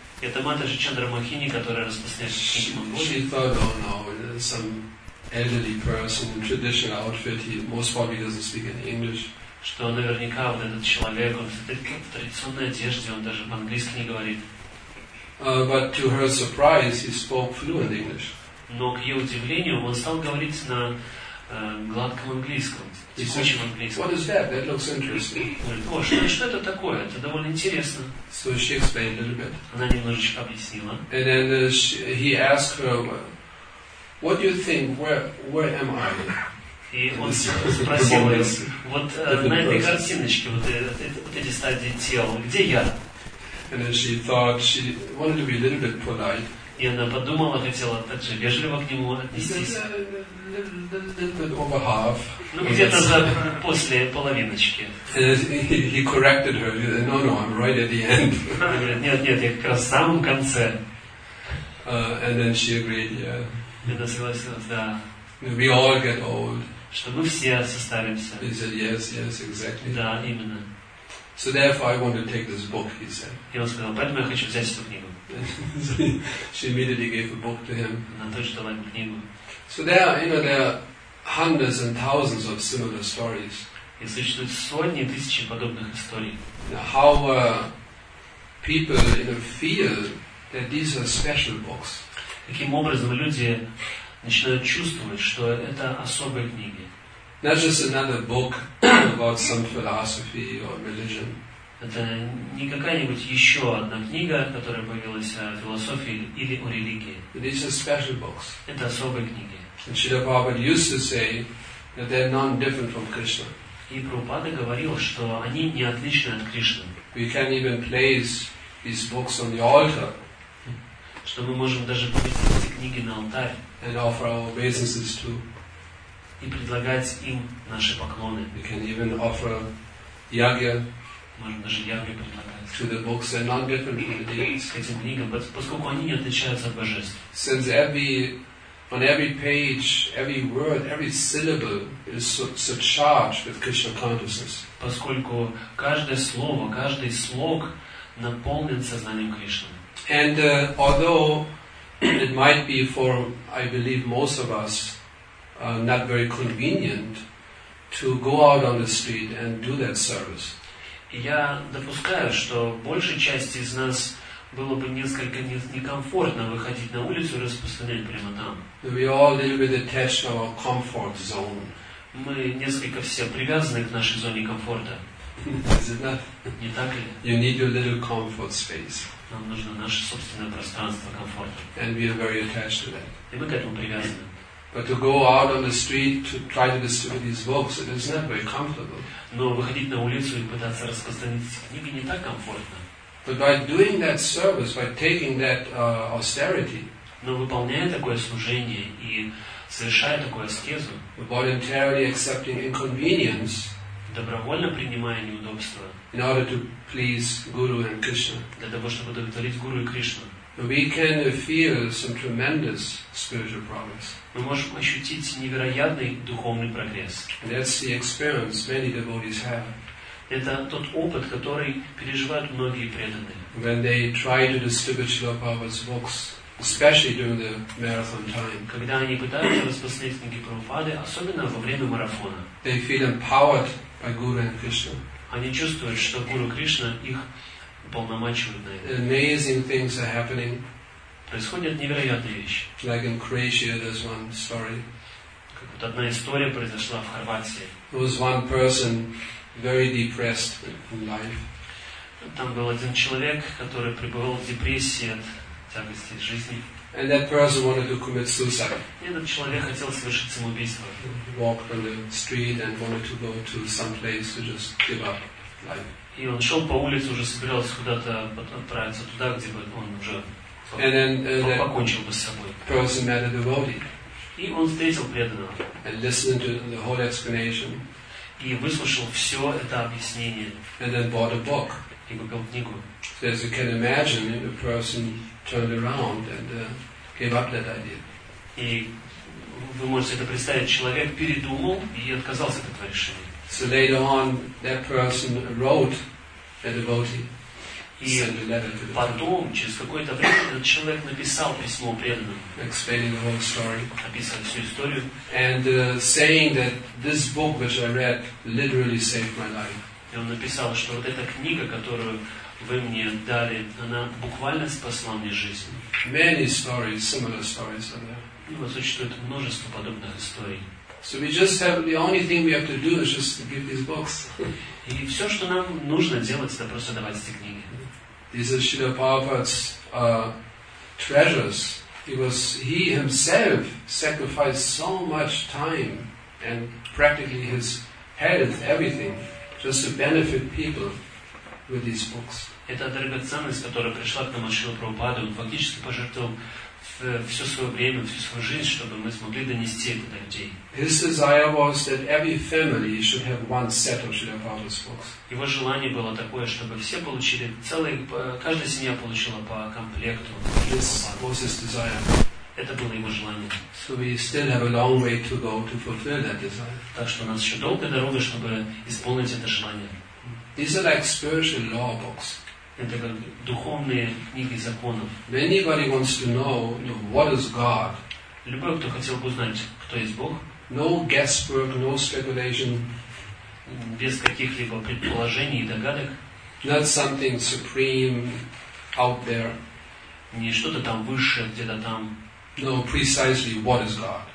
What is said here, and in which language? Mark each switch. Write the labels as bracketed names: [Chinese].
[Russian] Это Матаджи Чандрамохини, которая распространяет книги Монголии. [English] She thought, oh no, some elderly person in traditional outfit, he most probably doesn't speak any English. [Russian] Что наверняка вот этот человек, он в традиционной одежде, он даже по-английски не говорит. [English] But to her surprise, he spoke fluent English. [Russian] Но к ее удивлению, он стал говорить на гладком английском, текучем английском. [English] What is that? That looks interesting. [Russian] Oh, что это такое? Это довольно интересно. [English] So she explained a little bit. [Russian] Она немножечко объяснила. [English] And then he asked her, "What do you think? Where am I?" [Russian] И он спросил ее, вот на этой картиночке, вот эти стадии тела, где я? [English] And then she thought she wanted to be a little bit polite. [Russian] И она подумала, хотела так же вежливо к нему отнестись. [English] Over half. [Russian] Ну где-то за после половиночки. [English] He corrected her. No, no, I'm right at the end. [Russian] Нет, нет, я как раз в самом конце. [English] And then she agreed. Yeah. [Russian] Она согласилась, да. [English] We all get old. [Russian] Что мы все состаримся. [English] He said yes, yes, exactly. [Russian] Да, именно. [English] So therefore, I want to take this book. He said. [Russian] И он сказал, поэтому я хочу взять эту книгу. [English] She immediately gave the book to him. [Russian] Она тоже дала ему книгу. [English] So there are hundreds and thousands of similar stories. [Russian] И существуют сотни тысячи подобных историй. [English] How people feel that these are special books. [Russian] Каким образом люди начинают чувствовать, что это особые книги? [English] Not just another book about some philosophy or religion. [Russian] Это не какая-нибудь еще одна книга, которая появилась о философии или о религии. [English] These are special books. [Russian] Это особые книги. [English] And Srila Prabhupada used to say that they're non-different from Krishna. [Russian] И Прабхупада говорил, что они не отличны от Кришны. [English] We can even place these books on the altar. [Russian] Что мы можем даже повесить эти книги на алтарь. [English] And offer our obeisances to. [Russian] И предлагать им наши поклоны. [English] We can even offer yagya. [Russian] Можем даже явно предлагать. [English] To the books are not different from the deities. [Russian] К этим книгам, поскольку они не отличаются от божеств. [English] Since on every page, every word, every syllable is surcharged with Krishna consciousness. [Russian] Поскольку каждое слово, каждый слог наполнен сознанием Кришны. [English] And although it might be for, I believe, most of us, not very convenient to go out on the street and do that service. [Russian] Я допускаю, что большей части из нас было бы несколько некомфортно выходить на улицу и распространять прямо там. [English] We all a little bit attached to our comfort zone. [Russian] Мы несколько все привязаны к нашей зоне комфорта. [English] Is it not? [Russian] Не так ли? [English] You need your little comfort space. [Russian] Нам нужно наше собственное пространство комфорта. [English] And we are very attached to that. [Russian] И мы к этому привязаны. [English] But to go out on the street to try to distribute these books, it is not very comfortable. [Russian] Но выходить на улицу и пытаться распространить книги не так комфортно. [English] But by doing that service, by taking that austerity, [Russian] но выполняя такое служение и совершая такую аскезу, [English] voluntarily accepting inconvenience, [Russian] добровольно принимая неудобства, [English] in order to please Guru and Krishna, [Russian] для того чтобы удовлетворить Гуру и Кришну, [English] we can feel some tremendous spiritual progress. [Russian] Мы можем ощутить невероятный духовный прогресс. [English] That's the experience many devotees have. [Russian] Это тот опыт, который переживают многие преданные. [English] When they try to distribute Srila Prabhupada's books, especially during the marathon time. [Russian] Когда они пытаются распространить книги Прабхупады, особенно во время марафона. [English] They feel empowered by Guru and Krishna. [Russian] Они чувствуют, что Гуру Кришна их уполномачивает на это. [English] Amazing things are happening. [Russian] Происходят невероятные вещи. [English] Like in Croatia, there's one story. [Russian] Как вот одна история произошла в Хорватии. [English] There was one person very depressed in life. [Russian] Там был один человек, который пребывал в депрессии от тягости жизни. [English] And that person wanted to commit suicide. [Russian] И этот человек хотел совершить самоубийство. [English] He walked on the street and wanted to go to some place to just give up life. [Russian] И он шел по улице, уже собирался куда-то отправиться туда, где бы он уже покончил бы с собой. [English] Person met a devotee. [Russian] И он встретил преданного. [English] And listened to the whole explanation. [Russian] И выслушал все это объяснение. [English] And then bought a book. [Russian] И купил книгу. [English] So as you can imagine, a person turned around and gave up that idea. [Russian] И вы можете это представить, человек передумал и отказался от этого решения. [English] So later on, that person wrote a devotee, sent a letter to the devotee. [Russian] И потом, через какое-то время, этот человек написал письмо преданному. [English] Explaining the whole story. [Russian] Описал всю историю. [English] And saying that this book which I read literally saved my life. [Russian] И он написал, что вот эта книга, которую вы мне дали, она буквально спасла мне жизнь. [English] Many stories, similar stories are there. [Russian] И вот существует множество подобных историй. [English] So we just have the only thing we have to do is just to give these books. [Russian] И все, что нам нужно делать, это просто давать эти книги. [English] These are Srila Prabhupada's treasures. He himself sacrificed so much time and practically his health, everything, just to benefit people with these books. [Russian] Это драгоценность, которая пришла к нам от Шрилы Прабхупады. Он фактически пожертвовал все свое время, всю свою жизнь, чтобы мы смогли донести это до людей. [English] His desire was that every family should have one set of Srila Prabhupada's books. [Russian] Его желание было такое, чтобы все получили целый, каждая семья получила по комплекту. [English] This was his desire. [Russian] Это было его желание. [English] So we still have a long way to go to fulfill that desire. [Russian] Так что у нас еще долгая дорога, чтобы исполнить это желание. [English] These are like spiritual law books. [Russian] Это как духовные книги законов. [English] Anybody wants to know, you know, what is God? [Russian] Любой, кто хотел бы узнать, кто есть Бог. [English] No guesswork, no speculation. [Russian] Без каких-либо предположений и догадок. [English] Not something supreme out there. [Russian] Не что-то там высшее, где-то там. [English] No, precisely what is God?